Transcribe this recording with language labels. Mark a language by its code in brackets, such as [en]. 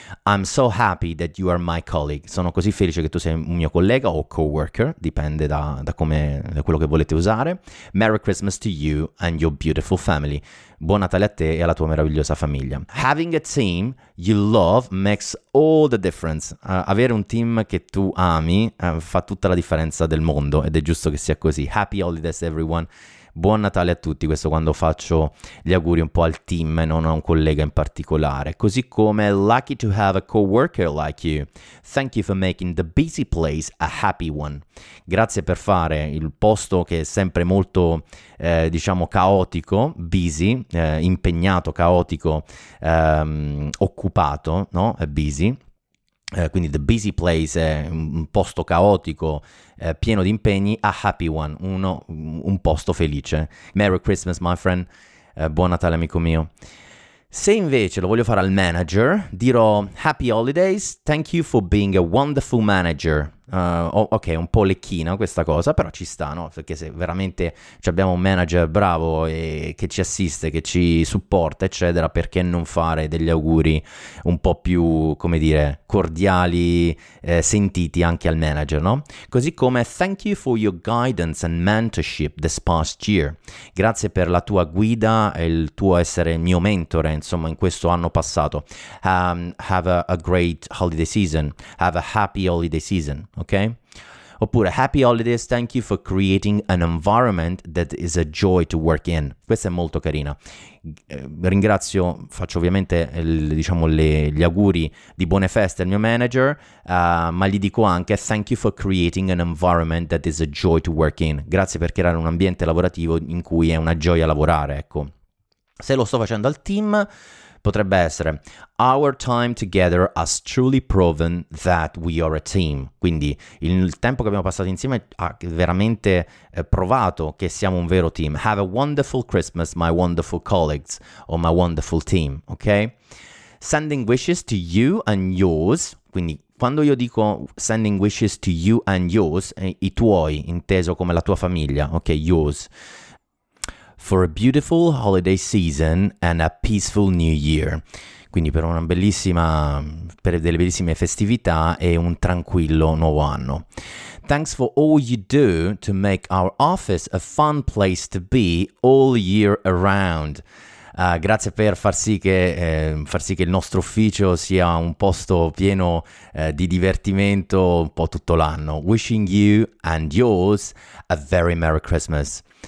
[en] I'm so happy that you are my colleague. [it] Sono così felice che tu sei un mio collega o co-worker, dipende da quello che volete usare. [en] Merry Christmas to you and your beautiful family. [it] Buon Natale a te e alla tua meravigliosa famiglia. [en] Having a team you love makes all the difference. [it] Avere un team che tu ami fa tutta la differenza del mondo ed è giusto che sia così. [en] Happy holidays everyone. [it] Buon Natale a tutti, questo quando faccio gli auguri un po' al team e non a un collega in particolare. Così come, [en] lucky to have a co-worker like you. Thank you for making the busy place a happy one. [it] Grazie per fare il posto che è sempre molto, caotico, busy, impegnato, caotico, occupato, no? Busy. Quindi [en] the busy place [it] è un posto caotico, pieno di impegni, [en] a happy one, [it] un posto felice. [en] Merry Christmas, my friend. [it] Buon Natale, amico mio. Se invece lo voglio fare al manager, dirò [en] happy holidays, thank you for being a wonderful manager. [it] Ok, un po' lecchina questa cosa, però ci sta, no? Perché se veramente abbiamo un manager bravo e che ci assiste, che ci supporta, eccetera, perché non fare degli auguri un po' più, come dire, cordiali, sentiti anche al manager, no? Così come [en] thank you for your guidance and mentorship this past year. [it] Grazie per la tua guida e il tuo essere il mio mentore, insomma, in questo anno passato. [en] Have a great holiday season. Have a happy holiday season. Okay? [it] Oppure [en] happy holidays, thank you for creating an environment that is a joy to work in. [it] Questa è molto carina. Ringrazio, faccio ovviamente gli auguri di buone feste al mio manager, ma gli dico anche [en] thank you for creating an environment that is a joy to work in. [it] Grazie per creare un ambiente lavorativo in cui è una gioia lavorare, ecco. Se lo sto facendo al team, potrebbe essere [en] our time together has truly proven that we are a team. [it] Quindi il tempo che abbiamo passato insieme ha veramente provato che siamo un vero team. [en] Have a wonderful Christmas, my wonderful colleagues, or my wonderful team, ok? Sending wishes to you and yours. [it] Quindi quando io dico [en] sending wishes to you and yours, [it] i tuoi, inteso come la tua famiglia, ok, [en] yours. For a beautiful holiday season and a peaceful new year. [it] Quindi per una bellissima, per delle bellissime festività e un tranquillo nuovo anno. [en] Thanks for all you do to make our office a fun place to be all year around. [it] Grazie per far sì che il nostro ufficio sia un posto pieno di divertimento un po' tutto l'anno. [en] Wishing you and yours a very Merry Christmas.